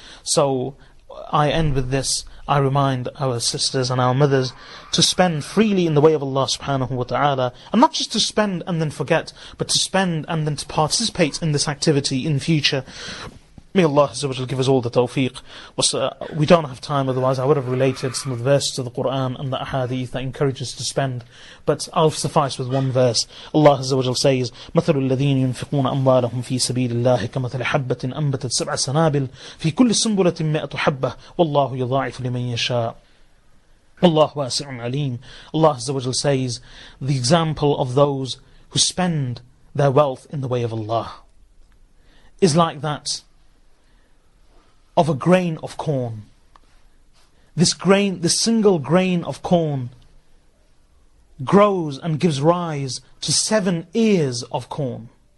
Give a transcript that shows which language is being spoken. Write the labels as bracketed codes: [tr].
[en] So I end with this. I remind our sisters and our mothers to spend freely in the way of Allah subhanahu wa ta'ala, and not just to spend and then forget, but to spend and then to participate in this activity in future. May Allah Azza wa Jalla give us all the tawfiq. We don't have time, otherwise I would have related some of the verses of the Qur'an and the ahadith that encourage us to spend. But I'll suffice with one verse. Allah Azza wa Jalla says, [ar] مَثَلُ الَّذِينَ يُنْفِقُونَ أَمْوَالَهُمْ فِي سَبِيلِ اللَّهِ كَمَثَلِ حَبَّةٍ أَنْبَتَتْ سَبْعَ سَنَابِلْ فِي كُلِّ سُنْبُلَةٍ مِئَةُ حَبَّةٍ وَاللَّهُ يُضَاعِفُ لِمَنْ يَشَاءُ. Allah wasi'un alim. [en] Allah Azza wa Jalla says, the example of those who spend their wealth in the way of Allah is like that of a grain of corn. This grain, this single grain of corn, grows and gives rise to 7 ears of corn.